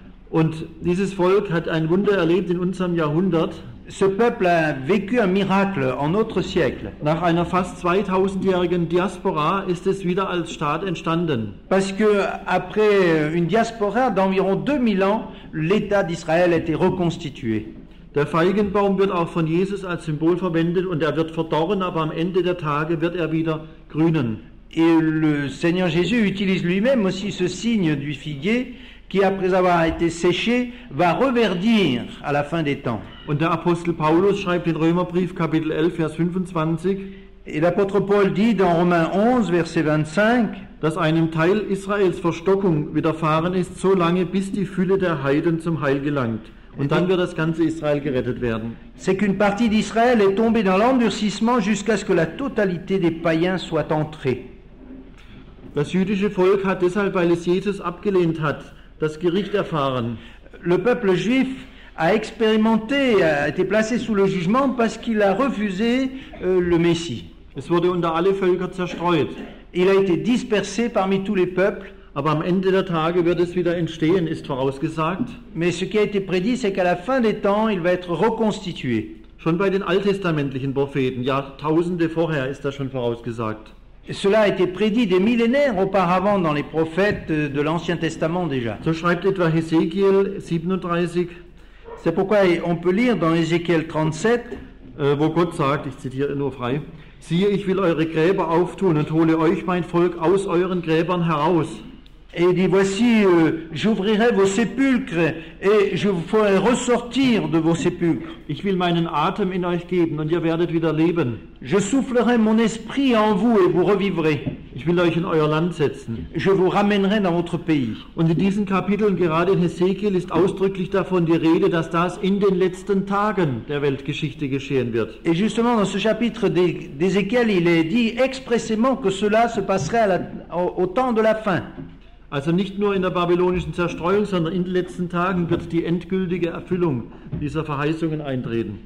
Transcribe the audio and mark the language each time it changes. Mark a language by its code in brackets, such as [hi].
[de] Und dieses Volk hat ein Wunder erlebt in unserem Jahrhundert. [fr] Ce peuple a vécu un miracle en notre siècle. [de] Nach einer fast 2000-jährigen Diaspora ist es wieder als Staat entstanden. [fr] Parce que après une diaspora d'environ 2000 ans, l'État d'Israël a été reconstitué. [de] Der Feigenbaum wird auch von Jesus als Symbol verwendet und er wird verdorren, aber am Ende der Tage wird er wieder grünen. [fr] Et le Seigneur Jésus utilise lui-même aussi ce signe du figuier qui, après avoir été séché, va reverdir à la fin des temps. [de] Und der Apostel Paulus schreibt in Römerbrief Kapitel 11, Vers 25. [fr] Et l'apôtre Paul dit dans Romains 11, verset 25, [de] dass einem Teil Israels Verstockung widerfahren ist, so lange bis die Fülle der Heiden zum Heil gelangt. Und dann wird das ganze Israel gerettet werden. [fr] C'est qu'une partie d'Israël est tombée dans l'endurcissement jusqu'à ce que la totalité des païens soit entrée. [de] Das jüdische Volk hat deshalb, weil es Jesus abgelehnt hat, das Gericht erfahren. [fr] Le peuple juif a expérimenté, a été placé sous le jugement parce qu'il a refusé le Messie. [de] Es wurde unter alle Völker zerstreut. [fr] Il a été dispersé parmi tous les peuples. [de] Aber am Ende der Tage wird es wieder entstehen, ist vorausgesagt. [fr] Mais ce qui a été prédit, c'est qu'à la fin des temps, il va être reconstitué. [de] Schon bei den alttestamentlichen Propheten, Jahrtausende vorher, ist das schon vorausgesagt. [fr] Cela a été prédit des millénaires auparavant dans les prophètes de l'Ancien Testament déjà. [de] So schreibt etwa Hesekiel 37. [fr] C'est pourquoi on peut lire dans Ézéchiel 37, [de] wo Gott sagt, ich zitiere nur frei, siehe, ich will eure Gräber auftun und hole euch, mein Volk, aus euren Gräbern heraus. [fr] Et dit, voici, j'ouvrirai vos sépulcres et je vous ferai ressortir de vos sépulcres. [de] Ich will meinen Atem in euch geben und ihr werdet wieder leben. [fr] Je soufflerai mon esprit en vous et vous revivrez. [de] Ich will euch in euer Land setzen. [fr] Je vous ramènerai dans votre pays. [de] Und in diesen Kapiteln, gerade in Hesekiel, ist ausdrücklich davon die Rede, dass das in den letzten Tagen der Weltgeschichte geschehen wird. [fr] Et justement, dans ce chapitre d'Ézéchiel, il est dit expressément que cela se passerait au temps de la fin. [de] Also nicht nur in der babylonischen Zerstreuung, sondern in den letzten Tagen wird die endgültige Erfüllung dieser Verheißungen eintreten.